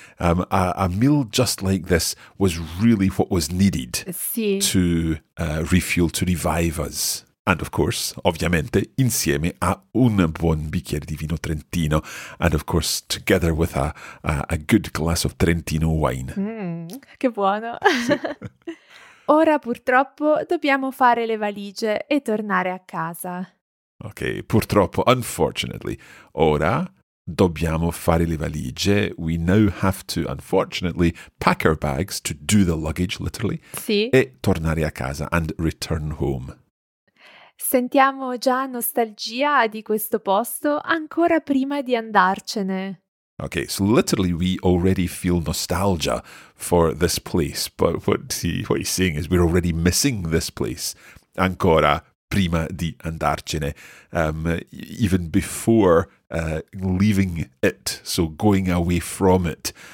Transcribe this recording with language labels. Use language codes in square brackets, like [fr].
[en] A meal just like this was really what was needed to refuel, to revive us. And of course, [it] ovviamente, insieme a un buon bicchiere di vino trentino. [en] And of course, together with a good glass of Trentino wine. [it] Che buono! Ora purtroppo dobbiamo fare le valigie e tornare a casa. Ok, purtroppo, [en] unfortunately. [it] Ora dobbiamo fare le valigie. [en] We now have to, unfortunately, pack our bags, to do the luggage, literally. [it] Sì. E tornare a casa [en] and return home. [it] Sentiamo già nostalgia di questo posto ancora prima di andarcene. [en] Okay, so literally we already feel nostalgia for this place, but what he's saying is we're already missing this place [it] ancora prima di andarcene, [en] even before leaving it, so going away from it.